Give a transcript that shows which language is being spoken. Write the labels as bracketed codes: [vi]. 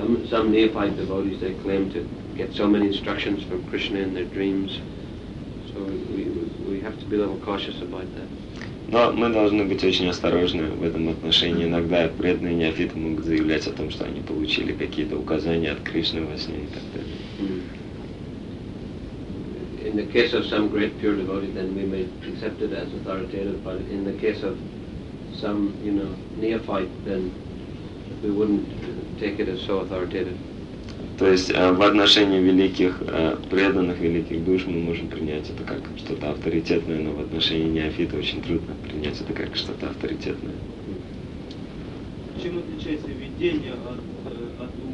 [en] Some neophyte devotees, they claim to get so many instructions from Krishna in their dreams. So we have to be a little cautious about that. [ru] Но мы должны быть очень осторожны в этом отношении. Иногда преданные неофиты могут заявлять о том, что они получили какие-то указания от Кришны во сне и так далее. [en] In the case of some great pure devotee, then we may accept it as authoritative. But in the case of some, you know, neophyte, then we wouldn't take it as so authoritative. [ru] То есть в отношении великих преданных, великих душ мы можем принять это как что-то авторитетное, но в отношении неофита очень трудно принять это как что-то авторитетное. Чем отличается видение от ума,